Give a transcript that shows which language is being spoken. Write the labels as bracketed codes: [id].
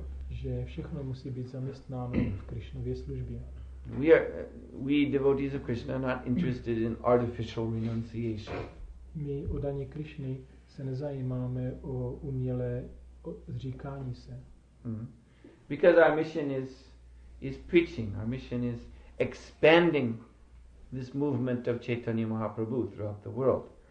[cs] Že všechno musí být zaměstnáno v Krishnově službě. [en] We devotees of Krishna are not interested in artificial renunciation. [cs] My oddaní Krishny se nezajímáme o umělé zříkání se. [en] Because our mission is preaching, our mission is expanding this movement of Chaitanya Mahaprabhu throughout the world.